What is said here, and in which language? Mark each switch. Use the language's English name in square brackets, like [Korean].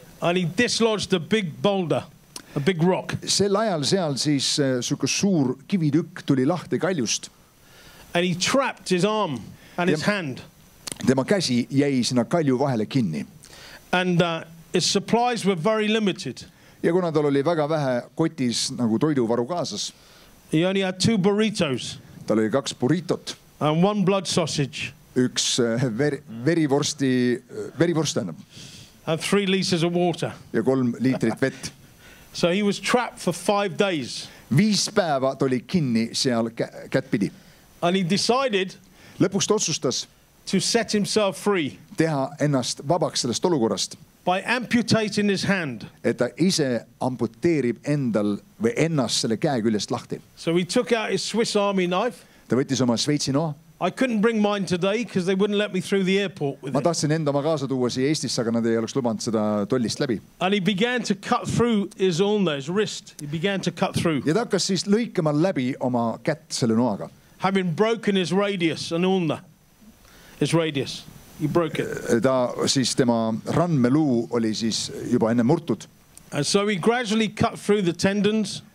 [English] And he dislodged a big boulder, a big rock. [Estonian] Sel ajal seal siis suuke suur kivitükk tuli lahti kaljust. [English] And he trapped his arm and his hand. [Estonian] Tema käsi jäi sinna kalju vahele kinni. [English] And his supplies were very limited. [Estonian] Ja kuna tal oli väga vähe kotis nagu toiduvaru kaasas. [English] He only had two burritos. [Estonian] Tal oli kaks burritot. [English] And one blood sausage. [Estonian] Üks verivorst annab. [English] And 3 liters of water. [Estonian] Ja 3 liitrit vett. [English] So he was trapped for 5 days. [Estonian] 5 päeva ta oli kinni seal kätpidi. [English] And he decided, [Estonian] lõpuks ta otsustas, [English] to set himself free, [Estonian] teha ennast vabaks sellest olukorrast, [English] by amputating his hand, [Estonian] et ta ise amputeerib endal või ennast selle käe küljest lahti. [English] So he took out his Swiss Army knife. [Estonian] Ta võttis oma Sveitsi noa. [English] I couldn't bring mine today because they wouldn't let me through the airport with [Estonian] it. Ma tahtsin enda oma kaasa tuua siia Eestisse, aga nad ei oleks lubanud seda tollist läbi. [English] And he began to cut through his ulna, his wrist. He began to cut through. [Estonian] Ja ta hakkas siis lõikama läbi oma kätt selle noaga. [English] Having broken his radius and ulna. His radius. He broke it. [Estonian] Ta siis tema randmeluu oli siis juba enne murtud. [English] And so he gradually cut through the tendons.